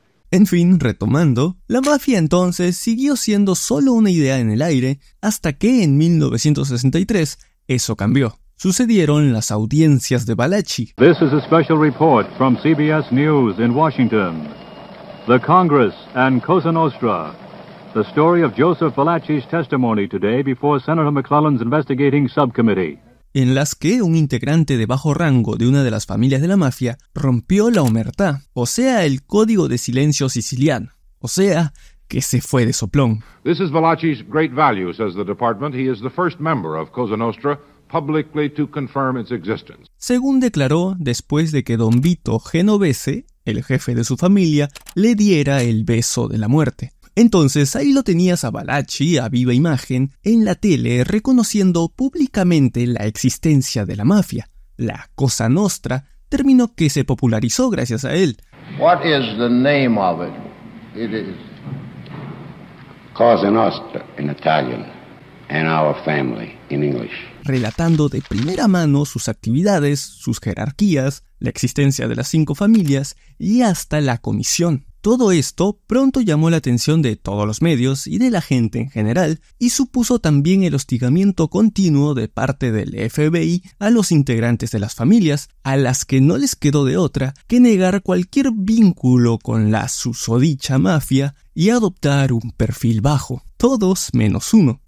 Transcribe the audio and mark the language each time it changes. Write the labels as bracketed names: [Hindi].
[Spanish] En fin, retomando, la mafia entonces siguió siendo solo una idea en el aire, hasta que en 1963 eso cambió. Sucedieron las audiencias de Balachi. [English] This is a special report from CBS News in Washington. The Congress and Cosa Nostra. The story of Joseph Balachi's testimony today before Senator McClellan's investigating subcommittee. [Spanish] En las que un integrante de bajo rango de una de las familias de la mafia rompió la omertá, o sea, el código de silencio siciliano, o sea, que se fue de soplón. [English] This is Balachi's great value, says the department. He is the first member of Cosa Nostra publicly to confirm its existence. [Spanish] Según declaró después de que Don Vito Genovese, el jefe de su familia, le diera el beso de la muerte. Entonces ahí lo tenías a Balachi a viva imagen en la tele reconociendo públicamente la existencia de la mafia. La Cosa Nostra, término que se popularizó gracias a él. [English] What is the name of it? It is Cosa Nostra in Italian and our family in English. [Spanish] Relatando de primera mano sus actividades, sus jerarquías, la existencia de las cinco familias y hasta la comisión. Todo esto pronto llamó la atención de todos los medios y de la gente en general y supuso también el hostigamiento continuo de parte del FBI a los integrantes de las familias, a las que no les quedó de otra que negar cualquier vínculo con la susodicha mafia y adoptar un perfil bajo, todos menos uno.